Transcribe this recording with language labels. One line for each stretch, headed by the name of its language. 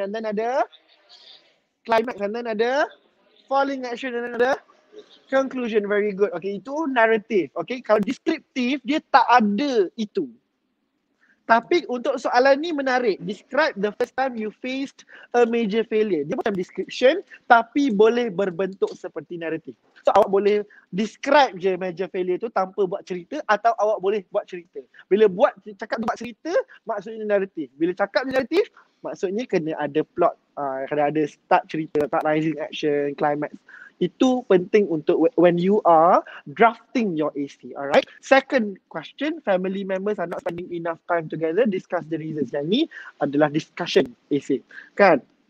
English: And then
Malay: ada
English: climax. And then ada falling action. And then
Malay: ada
English: conclusion. Very good. Okay,
Malay: itu
English: narrative.
Malay: Okay, kalau descriptive, dia tak ada itu. Tapi untuk soalan ni menarik.
English: Describe the first time you faced a major failure.
Malay: Dia macam description tapi boleh berbentuk seperti narrative. So awak boleh
English: describe
Malay: je major failure tu tanpa buat cerita atau awak boleh buat cerita. Bila buat cakap buat cerita, maksudnya narrative. Bila cakap narrative, maksudnya kena ada plot, kena ada start cerita, start rising action, climax. Itu penting untuk
English: when you are drafting your AC, alright? Second question, family members are not spending enough time together, discuss the reasons.
Malay: Yang ni adalah discussion AC, kan?